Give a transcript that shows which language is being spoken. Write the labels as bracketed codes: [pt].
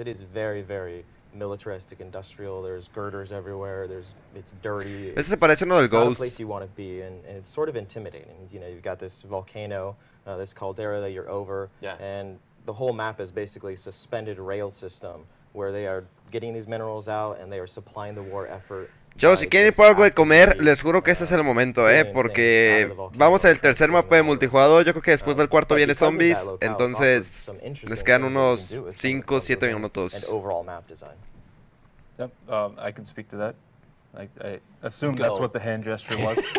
[en] It is very, very... militaristic, industrial, there's girders everywhere, it's dirty, it's not a place you want to be, and it's sort of intimidating. You know, you've got this volcano, this caldera that you're over, and the whole map is basically a suspended rail system where they are getting these minerals out and they are supplying the war effort. [es] Chavos, si quieren ir por algo de comer, les juro que este es el momento, porque vamos al tercer mapa de multijugador. Yo creo que después del cuarto viene zombies, entonces les quedan unos 5 o 7 minutos. [en] I can speak to that. I assume that's what the hand gesture was.